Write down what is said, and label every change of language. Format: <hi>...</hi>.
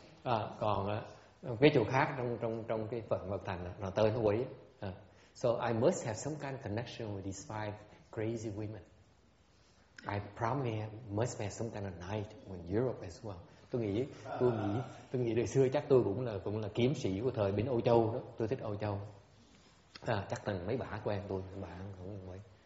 <vi>À, còn cái chỗ khác trong trong trong cái phần Mật Thành là tới nó quỷ.</vi> <en>So I must have some kind of connection with these five crazy women. I probably must have some kind of night in Europe as well.</en> <vi>Tôi nghĩ đời xưa chắc tôi cũng là kiếm sĩ của thời bên Âu Châu đó. Tôi thích Âu Châu. À, chắc là mấy bà quen tôi, bà cũng mấy.</vi>